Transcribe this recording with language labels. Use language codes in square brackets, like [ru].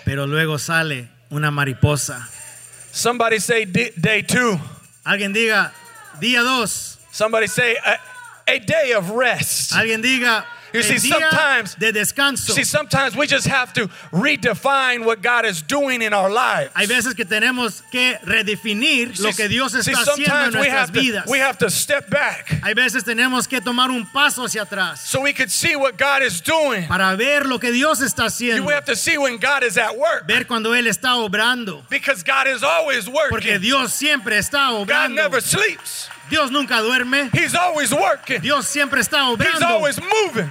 [es] Pero luego sale una mariposa. [en] Somebody say day two. [es] Alguien diga día dos. [en] Somebody say a day of rest. [es] Alguien diga. [en] You see, sometimes, [es] de descanso. [en] See, sometimes we just have to redefine what God is doing in our lives. [es] Hay veces que tenemos que redefinir lo que Dios está haciendo en nuestras vidas. [en] See, sometimes we have to step back. [es] Hay veces tenemos que tomar un paso hacia atrás. [en] So we could see what God is doing. [es] Para ver lo que Dios está haciendo. [en] We have to see when God is at work. [es] Ver cuando Él está obrando. [en] Because God is always working. [es] Porque Dios siempre está obrando. [en] God never sleeps. [es] Dios nunca duerme. [en] He's always working. [es] Dios siempre está obrando. [en] He's always moving.